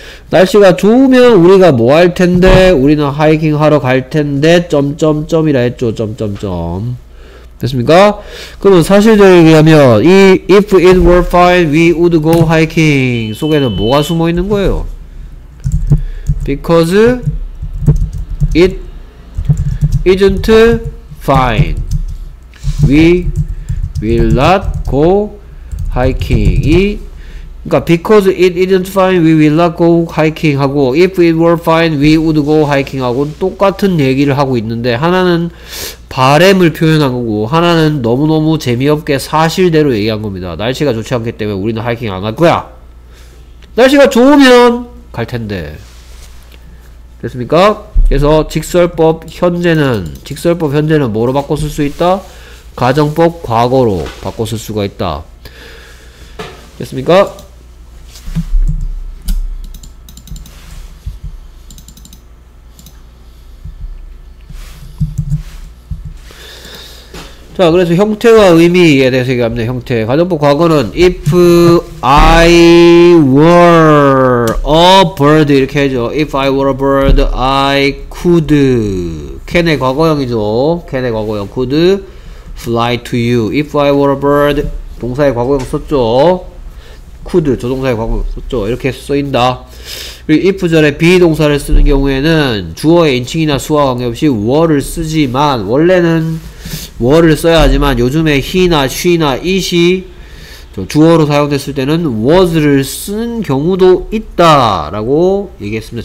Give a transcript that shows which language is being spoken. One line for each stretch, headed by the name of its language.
Korean: 날씨가 좋으면 우리가 뭐 할 텐데 우리는 하이킹 하러 갈 텐데 점점점이라 했죠. 점점점 됐습니까? 그러면 사실적으로 얘기하면 이
English: if it were fine we would go hiking
Korean: 속에는 뭐가 숨어 있는 거예요?
English: Because it isn't fine we will not go hiking.
Korean: 이
English: Because it isn't fine, we will not go hiking
Korean: 하고
English: If it were fine, we would go hiking
Korean: 하고 똑같은 얘기를 하고 있는데 하나는 바램을 표현한 거고 하나는 너무너무 재미없게 사실대로 얘기한 겁니다. 날씨가 좋지 않기 때문에 우리는 하이킹 안 갈 거야. 날씨가 좋으면 갈 텐데. 됐습니까? 그래서 직설법 현재는 뭐로 바꿔 쓸 수 있다? 가정법 과거로 바꿔 쓸 수가 있다. 됐습니까? 자, 그래서 형태와 의미에 대해서 얘기합니다. 형태. 가정법 과거는
English: if I were a bird
Korean: 이렇게 해줘.
English: If I were a bird, I could. can의 과거형이죠. can의 과거형. could fly to you. If I were a bird,
Korean: 동사의 과거형 썼죠. could, 조동사의 과거형 썼죠. 이렇게 쓰인다. 그리고 if 전에 be 동사를 쓰는 경우에는 주어의 인칭이나 수와 관계없이 were를 쓰지만 원래는 were를 써야 하지만 요즘에 he나 she나 it이 주어로 사용됐을 때는 was를 쓴 경우도 있다 라고 얘기했습니다.